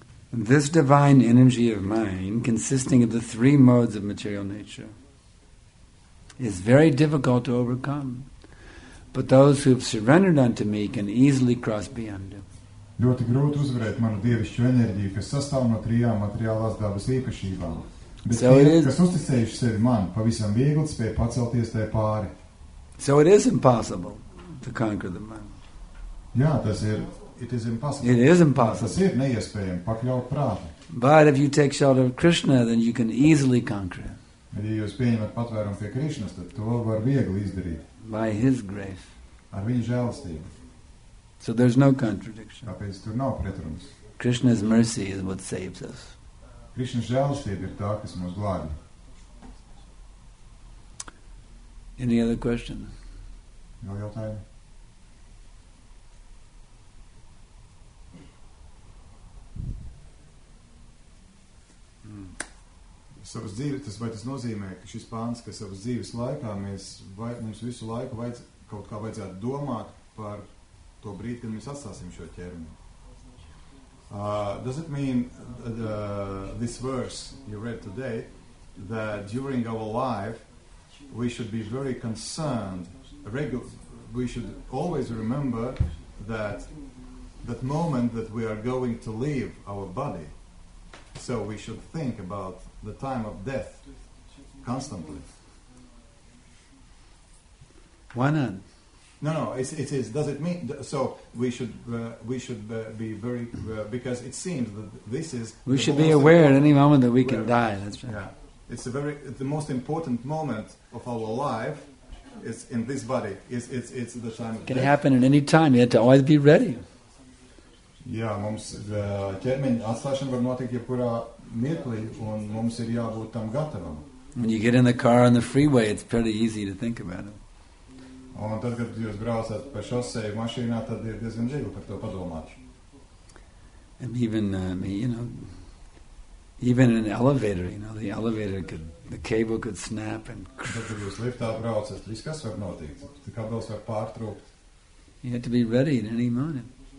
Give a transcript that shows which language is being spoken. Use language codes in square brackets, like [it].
[en] This divine energy of mind, consisting of the three modes of material nature, is very difficult to overcome, but those who have surrendered unto me can easily cross beyond it. [lv] Ļoti grūti uzvarēt manu dievišķo enerģiju, kas sastāv no trijām materiālās dabas īpašībām. Bet so tie, kas uzticējuši sevi man, pavisam viegli spēj pacelties tajā pāri. [en] So it is impossible to conquer the mind. [lv] Jā, tas ir, [en] it is impossible. It is impossible. [lv] Tas ir neiespējami pakļaut prātu. [en] But if you take shelter of Krishna, then you can easily conquer it. [lv] Ja jūs pieņemat patvērumu pie Krišnas, tad to var viegli izdarīt. [en] By his grace. [lv] Ar viņa žēlstību. [en] So there's no contradiction. [lv] Tāpēc tur nav pretrums. [en] Krishna's mercy is what saves us. [lv] Krišnas žēlstība ir tā, kas mūs glābj. [en] Any other question? [lv] Vēl jautājumi? Savas dzīves, tas vai tas nozīmē, ka šis pāns, ka savas dzīves laikā mums visu laiku kaut kā vajadzētu domāt par to brīdi, kad mēs atstāsim šo ķermeni. [en] Does it mean this verse you read today that during our life we should be very concerned, we should always remember that moment that we are going to leave our body, so we should think about the time of death constantly? Why not? No, it is. Does it mean so we should be very because it seems that this is we should be aware at any moment that we can die. That's right. Yeah, it's the most important moment of our life is in this body. It's the time it can happen at any time. You have to always be ready. [lv] Jā, mums ķermeņa atstāšana var notikt jebkurā mirklī, un mums ir jābūt tam gatavam. [en] When you get in the car on the freeway, it's pretty easy to think about it. [lv] Un tad, kad jūs braucat pa šoseju mašīnā, tad ir diezgan viegli par to padomāt. [en] And even an elevator, the elevator could, the cable could snap and... [lv] Tad, kad jūs liftā braucat, viss kas var notikt, tad kabels var pārtrūkt. [en] You have to be ready at any moment.